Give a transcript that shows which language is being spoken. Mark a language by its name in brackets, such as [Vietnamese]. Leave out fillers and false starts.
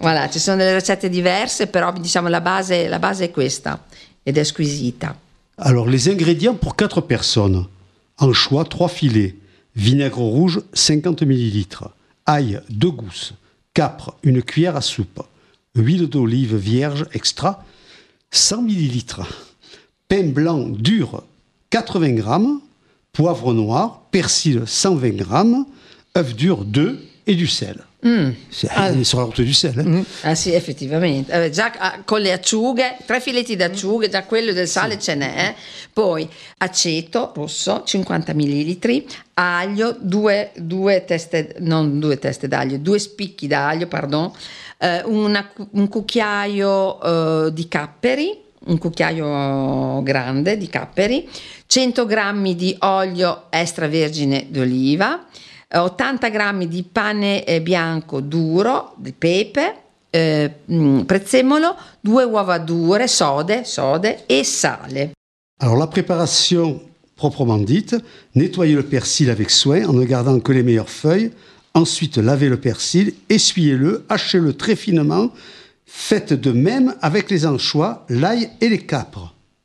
[Italian] Ci sono delle ricette diverse, però diciamo la base è questa. Ed è squisita. [French] Alors les ingrédients pour 4 personnes. Anchois 3 filets, vinaigre rouge 50 ml, ail 2 gousses, capre 1 cuillère à soupe, huile d'olive vierge extra 100 ml, pain blanc dur 80 g, poivre noir, persil 120 g, œuf dur 2 et du sel. [Italian] Il sarà rotto di sel, eh? Ah sì, effettivamente. Già con le acciughe, 3 filetti d'acciughe, già quello del sale sì. Ce n'è. Poi aceto rosso, 50 ml, aglio, due spicchi d'aglio, un cucchiaio grande di capperi, 100 g di olio extravergine d'oliva, 80 g di pane bianco duro, di pepe, prezzemolo, 2 uova dure, sode e sale. [French] Alors la préparation proprement dite, nettoyez le persil avec soin en ne gardant que les meilleures feuilles, ensuite lavez le persil, essuyez-le, hachez-le très finement, faites de même avec les anchois, l'ail et les capres.